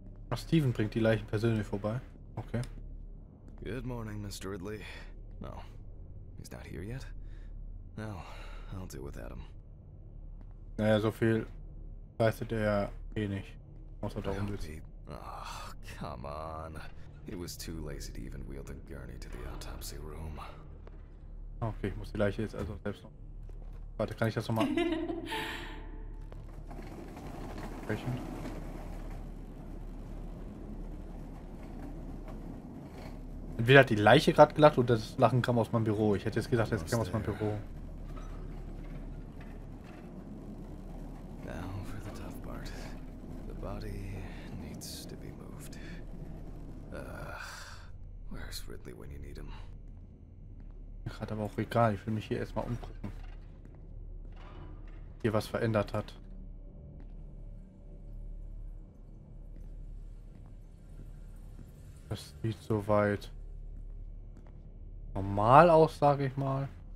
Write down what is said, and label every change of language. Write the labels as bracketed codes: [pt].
[de] Ach, Stephen bringt die Leichen persönlich vorbei. Okay. [en] Good morning, Mr. Ridley. No. He's not here yet. No, I'll deal with Adam. [de] Naja, so viel leistet er eh nicht. Außer da unten. [en] Oh, come on. It was too lazy to even wheel the gurney to the autopsy room. [de] Okay, ich muss die Leiche jetzt also selbst noch. Warte, kann ich das nochmal? Sprechen? Entweder hat die Leiche gerade gelacht oder das Lachen kam aus meinem Büro. Ich hätte jetzt gedacht, das kam aus meinem Büro. [en] Now for the tough part. The body needs to be moved. Where's Ridley when you need him? [de] Gerade aber auch egal, ich will mich hier erstmal umgucken. Hier was verändert hat. Das sieht soweit normal aus, sage ich mal.